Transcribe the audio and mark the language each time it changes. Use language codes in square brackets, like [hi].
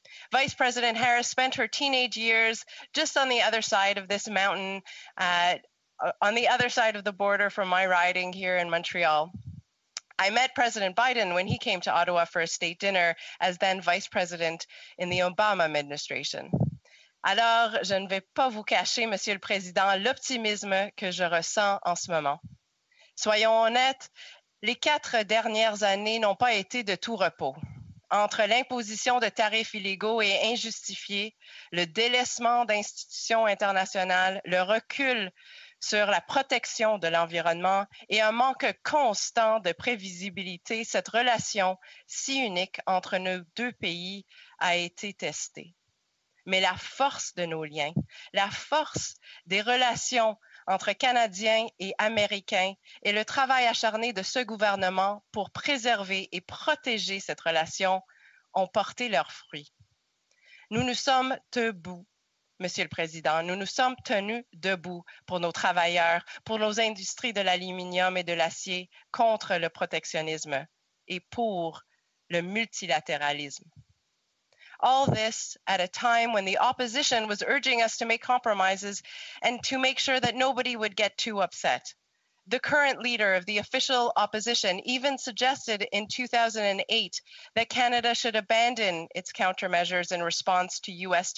[en] Vice President Harris spent her teenage years just on the other side of this mountain, on the other side of the border from my riding here in Montreal. I met President Biden when he came to Ottawa for a state dinner as then vice president in the Obama administration. [fr] Alors, je ne vais pas vous cacher, Monsieur le Président, l'optimisme que je ressens en ce moment. Soyons honnêtes, les quatre dernières années n'ont pas été de tout repos. Entre l'imposition de tarifs illégaux et injustifiés, le délaissement d'institutions internationales, le recul sur la protection de l'environnement et un manque constant de prévisibilité, cette relation si unique entre nos deux pays a été testée. Mais la force de nos liens, la force des relations entre Canadiens et Américains et le travail acharné de ce gouvernement pour préserver et protéger cette relation ont porté leurs fruits. Nous nous sommes debout, Monsieur le Président. Nous nous sommes tenus debout pour nos travailleurs, pour nos industries de l'aluminium et de l'acier, contre le protectionnisme et pour le multilatéralisme. [en] All this at a time when the opposition was urging us to make compromises and to make sure that nobody would get too upset. The current leader of the official opposition even suggested in 2008 that Canada should abandon its countermeasures in response to U.S.